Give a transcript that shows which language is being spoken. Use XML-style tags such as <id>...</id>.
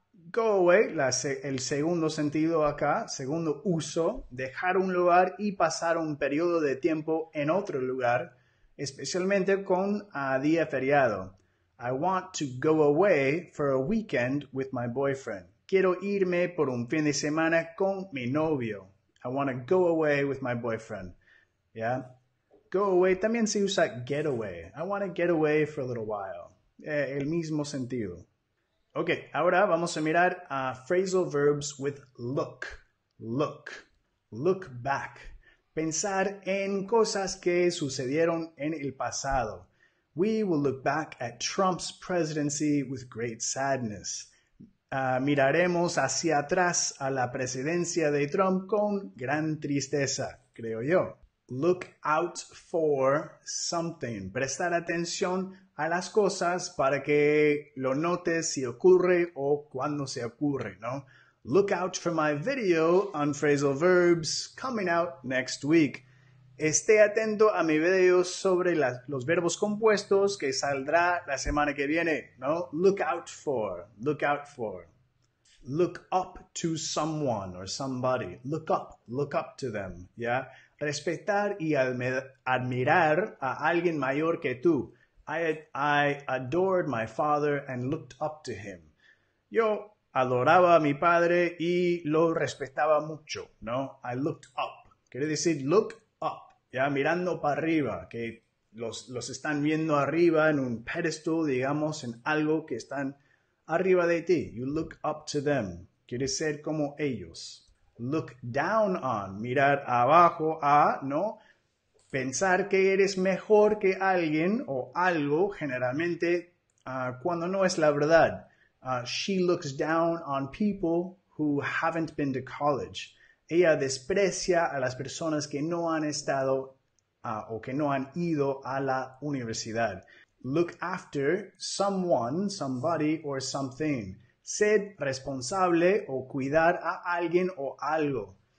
<en>Go away,</en> <es>el segundo sentido acá, segundo uso, dejar un lugar y pasar un periodo de tiempo en otro lugar, especialmente con día feriado.</es> <en>I want to go away for a weekend with my boyfriend.</en> <es>Quiero irme por un fin de semana con mi novio.</es> <en>I want to go away with my boyfriend. Yeah? Go away,</en> <es>también se usa</es> <en>get away. I want to get away for a little while.</en> <es>El mismo sentido. Ok, ahora vamos a mirar</es> <en>phrasal verbs with look. Look. Look back.</en> <es>Pensar en cosas que sucedieron en el pasado.</es> <en>We will look back at Trump's presidency with great sadness.</en> <es>Miraremos hacia atrás a la presidencia de Trump con gran tristeza, creo yo.</es> <en>Look out for something.</en> <es>Prestar atención a las cosas para que lo notes si ocurre o cuando se ocurre, ¿no?</es> <en>Look out for my video on phrasal verbs coming out next week.</en> <es>Esté atento a mi video sobre los verbos compuestos que saldrá la semana que viene, ¿no?</es> <en>Look out for, look out for. Look up to someone or somebody. Look up to them,</en> <es>¿ya? Respetar y admirar a alguien mayor que tú.</es> <en>I adored my father and looked up to him.</en> <es>Yo adoraba a mi padre y lo respetaba mucho, ¿no?</es> <en>I looked up.</en> <es>Quiere decir</es> <en>look up,</en> <es>ya mirando para arriba, que los están viendo arriba en un pedestal, digamos, en algo que están arriba de ti.</es> <en>You look up to them.</en> <es>Quiere ser como ellos.</es> <en>Look down on,</en> <es>mirar abajo a, ¿no? Pensar que eres mejor que alguien o algo, generalmente, cuando no es la verdad.</es> <en>She looks down on people who haven't been to college.</en> <es>Ella desprecia a las personas que no han estado o que no han ido a la universidad.</es> <en>Look after someone, somebody or something.</en> <es>Ser responsable o cuidar a alguien o algo.</es>